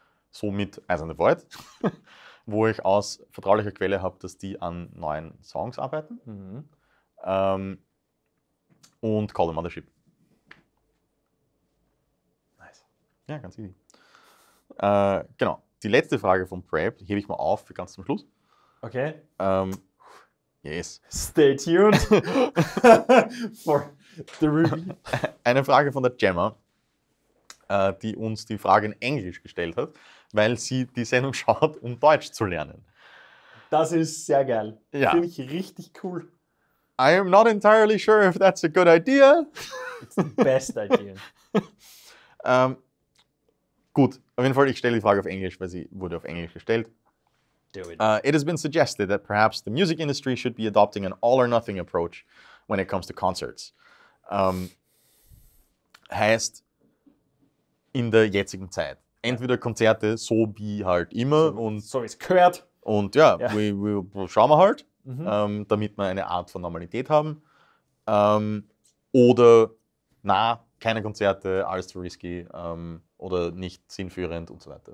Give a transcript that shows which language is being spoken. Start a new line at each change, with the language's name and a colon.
German: So mit Eyes in the Void. Wo ich aus vertraulicher Quelle habe, dass die an neuen Songs arbeiten. Mhm. Und Call the Mothership.
English: Nice.
German: Ja, ganz easy. Genau. Die letzte Frage von Prep hebe ich mal auf für ganz zum Schluss. Okay.
English: Yes. Stay tuned for the review.
German: Eine Frage von der Gemma, die uns die Frage in Englisch gestellt hat, weil sie die Sendung schaut, um Deutsch zu lernen. Das ist sehr geil. Ja. Finde ich richtig cool.
English: I am not entirely sure if that's a good idea. It's the best idea.
German: Gut, auf jeden Fall, ich stelle die Frage auf Englisch, weil sie wurde auf Englisch gestellt.
English: It has been suggested that perhaps the music industry should be adopting an all-or-nothing approach when it comes to concerts.
German: Heißt, in der jetzigen Zeit, entweder Konzerte, so wie halt immer. So wie es gehört. Und ja, wir schauen wir halt, damit wir eine Art von Normalität haben. Oder, na, keine Konzerte, alles zu risky oder nicht sinnführend und so weiter.